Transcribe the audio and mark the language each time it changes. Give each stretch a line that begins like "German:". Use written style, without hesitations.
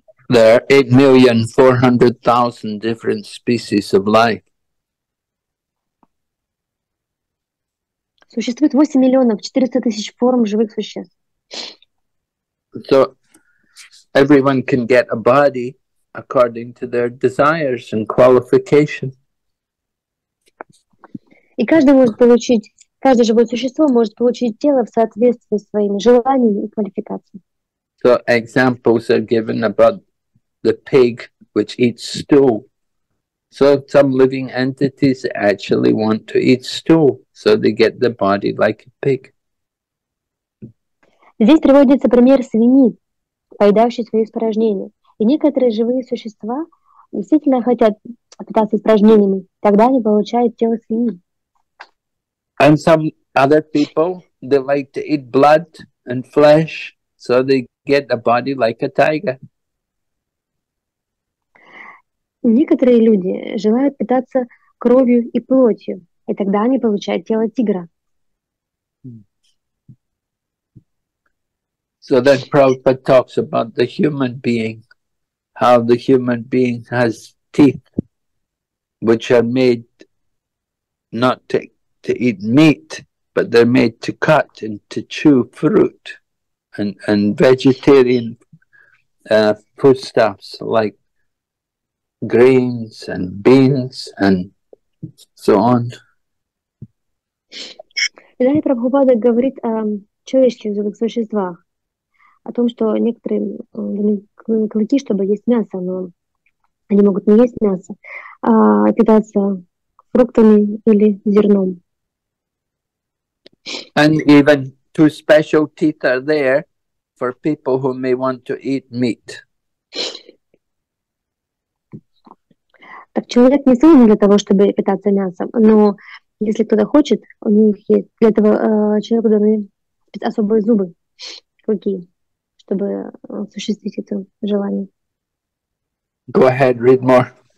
English: There are 8,400,000 different species of life.
Russian: Существует 8,400,000 форм живых существ.
English: So everyone can get a body according to their desires and qualification.
Russian: И каждый может получить, каждое живое существо может получить тело в соответствии с своими желаниями и квалификацией.
English: So examples are given about the pig which eats stool. So some living entities actually want to eat stool, so they get the body like a pig.
Russian: Здесь приводится пример свиньи, поедающей свои испражнения. И некоторые живые существа действительно хотят питаться испражнениями, тогда они получают тело свиньи.
English: And some other people, they like to eat blood and flesh, so they get a body like a tiger.
Russian: Некоторые люди желают питаться кровью и плотью, и тогда они получают тело тигра.
English: So then Prabhupada talks about the human being, how the human being has teeth, which are made not to eat meat, but they're made to cut and to chew fruit and vegetarian foodstuffs like grains and beans and so on.
Russian: И далее Прабхупада говорит о человеческих живых существах, о том, что некоторые клыки, чтобы есть мясо, но они могут не есть мясо, а питаться фруктами или зерном.
English: And even two special teeth are there for people who may want to eat meat.
Russian: Так человек не создан для того, чтобы питаться мясом, но если кто-то хочет, у них есть для этого человеку даны особые зубы, клыки, чтобы осуществить это желание.
English: Go ahead, read more.